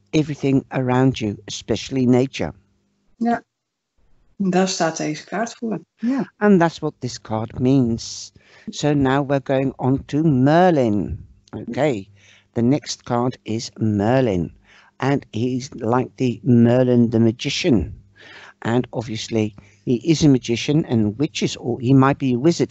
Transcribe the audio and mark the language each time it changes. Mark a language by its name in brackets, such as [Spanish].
[English] everything around you, especially nature. [Dutch] Ja, daar staat deze kaart voor. [English] Yeah. And that's what this card means. So now we're going on to Merlin. Okay, the next card is Merlin. And he's like the Merlin the magician. And obviously, he is a magician and witches, or he might be a wizard.